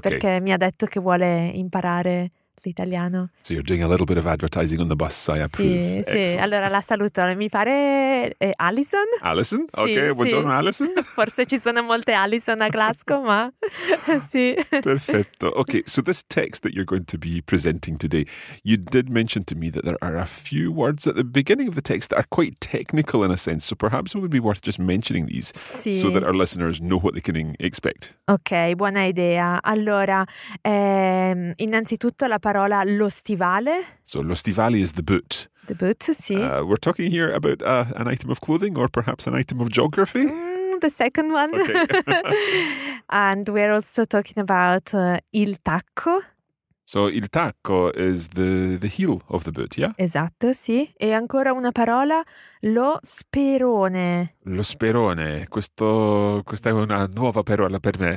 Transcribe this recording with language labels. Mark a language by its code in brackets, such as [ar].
[it] Perché mi ha detto che vuole imparare l'italiano. [en] So you're doing a little bit of advertising on the bus, I approve. [it] Sì, sì. Allora la saluto, mi pare Alison. Alison? Sì, ok, sì. Buongiorno Alison. Forse ci sono molte Alison a Glasgow, ma sì. Perfetto. [en] Ok, so this text that you're going to be presenting today, you did mention to me that there are a few words at the beginning of the text that are quite technical in a sense, so perhaps it would be worth just mentioning these. [it] Sì. [en] So that our listeners know what they can expect. [it] Ok, buona idea. Allora, innanzitutto la parola lo stivale. [en] So lo stivale is the boot. The boot, sì. We're talking here about an item of clothing or perhaps an item of geography? The second one. Okay. And we're also talking about il tacco. So il tacco is the heel of the boot, yeah? [it] Esatto, sì. E ancora una parola, lo sperone. Lo sperone, questa è una nuova parola per me.